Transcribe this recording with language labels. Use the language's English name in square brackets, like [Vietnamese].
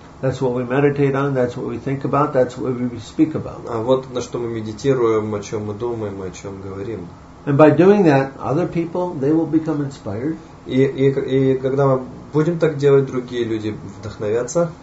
[English] That's what we meditate on, that's what we think about, that's what we speak about. [Russian] А вот на что мы медитируем, о чем мы думаем, о чем говорим. [English] And by doing that, other people, they will become inspired. [Russian] И когда мы будем так делать, другие люди вдохновятся.